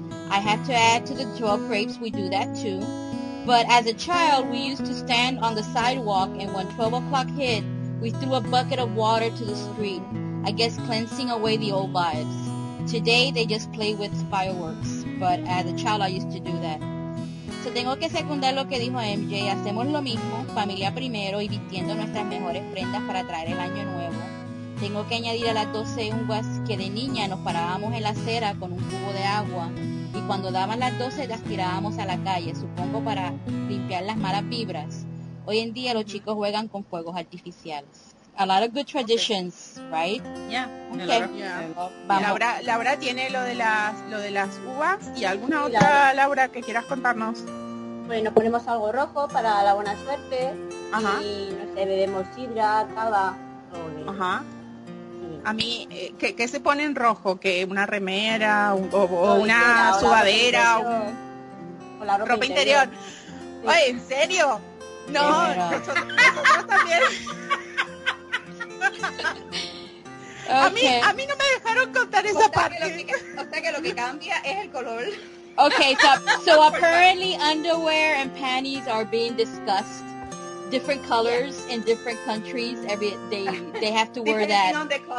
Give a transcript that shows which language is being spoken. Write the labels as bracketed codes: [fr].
[en] I have to add to the 12 grapes. We do that too. But as a child, we used to stand on the sidewalk, and when 12 o'clock hit, we threw a bucket of water to the street, I guess cleansing away the old vibes. Today, they just play with fireworks, but as a child, I used to do that. [es] So tengo que secundar lo que dijo MJ. Hacemos lo mismo, familia primero, y vistiendo nuestras mejores prendas para traer el año nuevo. Tengo que añadir a las 12 uvas que de niña nos parábamos en la acera con un cubo de agua, y cuando daban las 12 las tirábamos a la calle, supongo para limpiar las malas vibras. Hoy en día los chicos juegan con fuegos artificiales. [en] A lot of good traditions, okay. Right? Yeah. Okay. Yeah. [es] Vamos. Laura tiene lo de las uvas y alguna otra, Laura, que quieras contarnos. Bueno, ponemos algo rojo para la buena suerte. Ajá. Y no sé, bebemos sidra, cava. Ajá. A mí, ¿qué se pone en rojo? ¿Que una remera o una sudadera? ¿O la ropa interior? Sí. Oye, ¿en serio? No, nosotros también. Okay. A mí no me dejaron contar esa parte. O sea que lo que cambia es el color. [en] Okay, so apparently underwear and panties are being discussed. Different colors, yes. In different countries, every day they have to wear that.